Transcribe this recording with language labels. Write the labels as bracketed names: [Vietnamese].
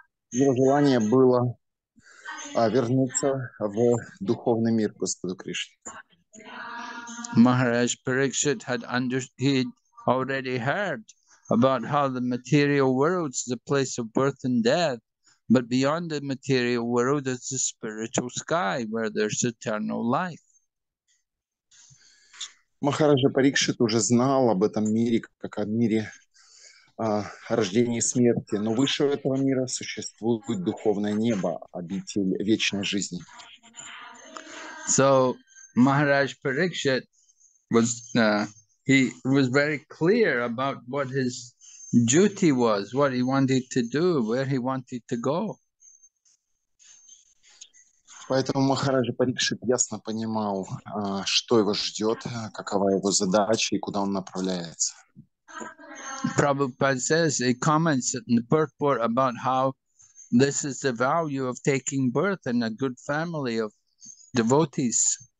[Russian] Его желание было вернуться в духовный мир Господу Кришне. [English] Maharaj Parikshit had he'd already heard about how the material world is the place of birth and death. But beyond the material world is the spiritual sky where there's eternal life. [Russian] Махараджа Парикшит уже знал об этом мире, как о мире рождения и смерти. Но выше этого мира существует духовное небо, обитель вечной жизни. [English] So, Maharaj Parikshit was, he was very clear about what his duty was, what he wanted to do, where he wanted to go. [Russian] Поэтому Махараджа Парикшит ясно понимал, что его ждет, какова его задача и куда он направляется. [English] Prabhupada says, he comments in the purport about how this is the value of taking birth in a good family of devotees.